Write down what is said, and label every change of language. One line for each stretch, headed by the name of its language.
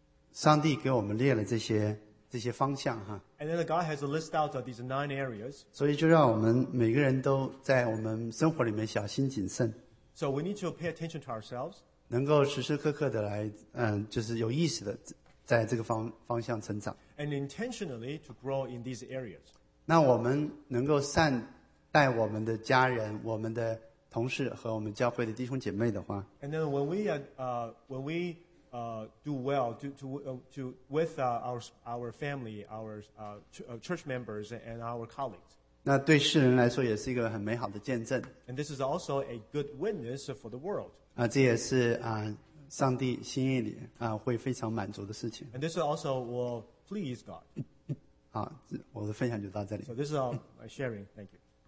Chinese: 上帝给我们列了这些方向哈。
English: And then God has a list out of these nine areas.
Chinese: 所以就让我们每个人都在我们生活里面小心谨慎。
English: So we need to pay attention to ourselves.
Chinese: 能够时时刻刻的来，就是有意识的在这个方向成长。
English: And intentionally to grow in these areas.
Chinese: 那我们能够善待我们的家人，我们的同事和我们教会的弟兄姐妹的话。
English: And then when we do well with our family, our church members and our colleagues.
Chinese: 那对世人来说也是一个很美好的见证。
English: And this is also a good witness for the world.
Chinese: 这也是上帝心意里会非常满足的事情。
English: And this also will please God.
Chinese: 好，我的分享就到这里。
English: So this is all my sharing. Thank you.